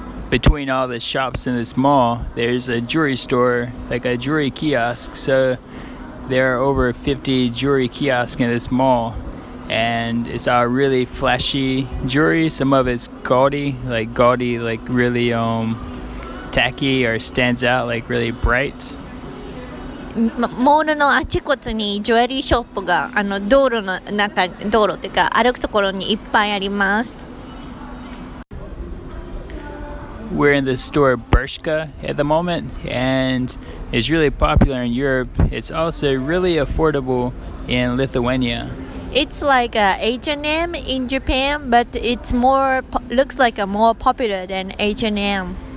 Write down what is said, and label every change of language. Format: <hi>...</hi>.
<en>Between all the shops in this mall, there's a jewelry store, like a jewelry kiosk. So there are over 50 jewelry kiosks in this mall, and it's all really flashy jewelry. Some of it's gaudy, like really tacky or stands out, like really bright.</en> <ja>モールのあちこちにジュエリーショップがあの道路の中、道路というか歩くところにいっぱいあります。</ja> <en>We're in the store Bershka at the moment, and it's really popular in Europe. It's also really affordable in Lithuania. It's like a H&M in Japan, but it's more, looks like a more popular than H&M.</en>